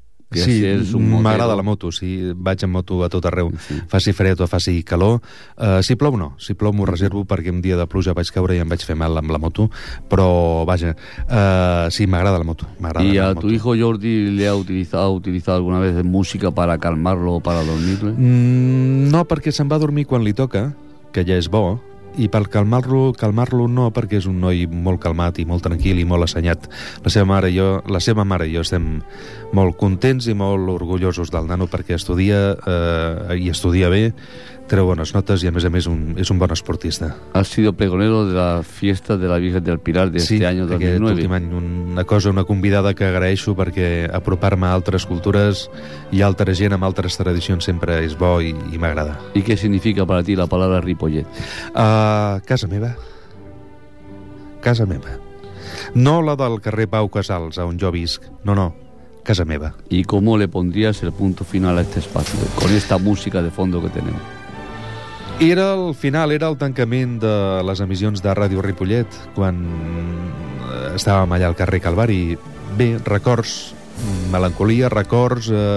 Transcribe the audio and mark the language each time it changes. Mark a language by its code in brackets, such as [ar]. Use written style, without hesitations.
[ca] Sí, m'agrada la moto, sí, vaig amb moto a tot arreu, sí. Faci fred o faci calor. Si plou, no. Si plou, m'ho reservo, perquè un dia de pluja vaig caure i em vaig fer mal amb la moto. Però, vaja, sí, m'agrada la moto. [es] ¿Y a tu hijo Jordi le ha utilizado alguna vez música para calmarlo o para dormirle? [ca] No, perquè se'n va a dormir quan li toca, que ja és bo. I per calmar-lo no, perquè és un noi molt calmat i molt tranquil i molt assenyat. La seva mare i jo estem molt contents i molt orgullosos del nano, perquè estudia i estudia bé, treu bones notes i a més és un bon esportista. [es] Has sido pregonero de la fiesta de la Virgen del Pilar de este año 2009. [ca] Sí, aquest últim any una convidada que agraeixo, perquè apropar-me a altres cultures i a altra gent amb altres tradicions sempre és bo i m'agrada. I què significa per a ti la paraula Ripollet? Casa meva. No la del carrer Pau Casals, on jo visc. No. Casa meva. [es] ¿Y cómo le pondrías el punto final a este espacio con esta música de fondo que tenemos? [ca] Era el final, era el tancament de les emissions de Ràdio Ripollet quan estàvem allà al carrer Calvari. Bé, records, melancolia, records,